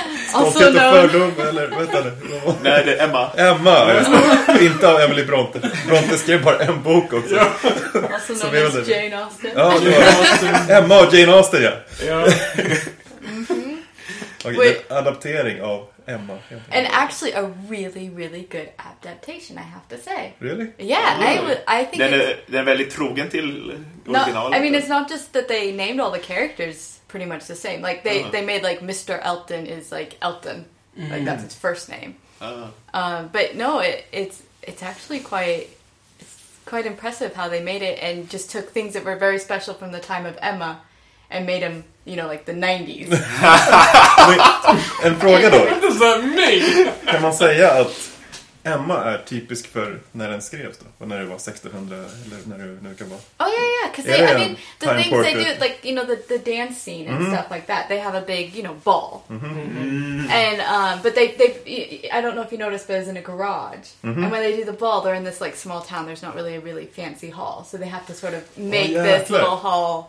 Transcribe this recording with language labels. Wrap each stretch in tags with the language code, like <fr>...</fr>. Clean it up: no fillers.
<sv>Stolthet och fördom, eller vänta nu. Nej, det är Emma. Emma, just det. Inte av Emily Bronte. Bronte skrev bara en bok också. Ja.</sv> <en>Also known as Jane Austen.</en> <sv>Ja, det var Emma och Jane Austen, ja. Ja. Mm-hmm. Okej, okay, adaptering av Emma.</sv> <en>And actually a really, really good adaptation, I have to say. Really? Yeah, really? I think</en> <sv>den är väldigt trogen till originalet.</sv> <en>I mean, it's not just that they named all the characters pretty much the same. Like, they made, like, Mr. Elton is, like, Elton. Mm. Like, that's its first name. But, no, it's actually quite impressive how they made it and just took things that were very special from the time of Emma and made them, you know, like, the 90s.</en> <sv>En fråga då.</sv> <en>What does that mean?</en> <sv>Kan man säga att Emma är typisk för när den skrevs då? Och när det var 1600, eller när det kan vara...</sv> <en>Oh, yeah, yeah. Because, I mean, the things portrait? They do, like, you know, the dance scene and mm-hmm. stuff like that. They have a big, you know, ball. Mm-hmm. And, but they I don't know if you noticed, but it's in a garage. Mm-hmm. And when they do the ball, they're in this, like, small town. There's not really a really fancy hall. So they have to sort of make this little hall,</en>